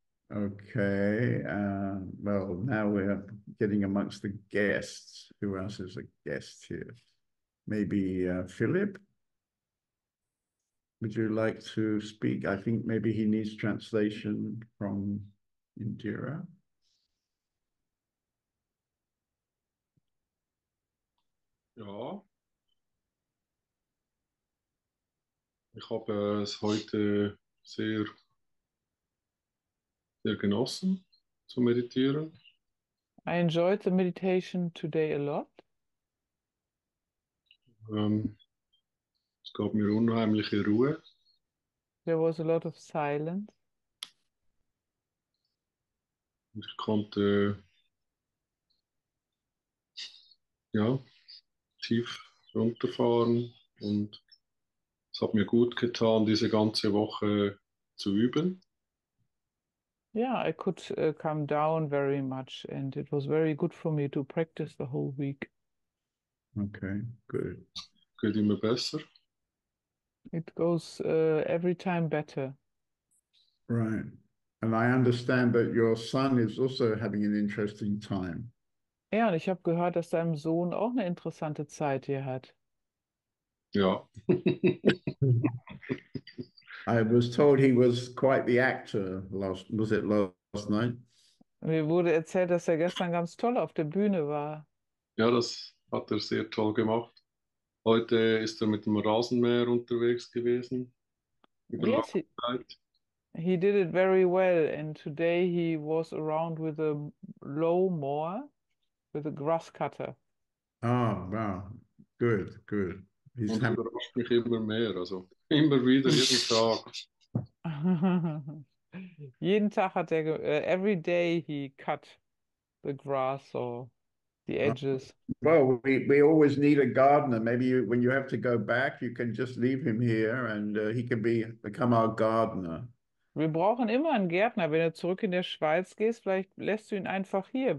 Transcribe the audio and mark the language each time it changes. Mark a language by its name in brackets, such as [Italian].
[English] Okay, well, now we're getting amongst the guests. Who else is a guest here? Maybe Philip? Would you like to speak? I think maybe he needs translation from Indira. [German] Ja, ich habe es heute sehr, sehr genossen zu meditieren. [English] I enjoyed the meditation today a lot. [German] Es gab mir unheimliche Ruhe. [English] There was a lot of silence. [German] Und ich konnte, ja, tief runterfahren und es hat mir gut getan, diese ganze Woche zu üben. [English] Yeah, I could calm down very much, and it was very good for me to practice the whole week. Okay, good. [German] Geht immer besser. [English] It goes every time better. Right. And I understand that your son is also having an interesting time. [German] Ja, und ich habe gehört, dass deinem Sohn auch eine interessante Zeit hier hat. Ja. [English] I was told he was quite the actor last, was it last night? [German] Mir wurde erzählt, dass er gestern ganz toll auf der Bühne war. Ja, das hat er sehr toll gemacht. Heute ist er mit dem Rasenmäher unterwegs gewesen, über lange [English] Yes, [German] Zeit. [English] he did it very well. And today he was around with a low mower, with a grass cutter. Ah, wow. Good, good. He's [German] Und [English] having. [German] überrascht mich immer mehr, also immer wieder, jeden Tag. Jeden Tag hat er, [English] every day he cut the grass or the edges. Well, we always need a gardener. Maybe when you have to go back, you can just leave him here and he can become our gardener. [German] Wir brauchen immer einen Gärtner. Wenn du zurück in der Schweiz gehst, vielleicht lässt du ihn einfach hier.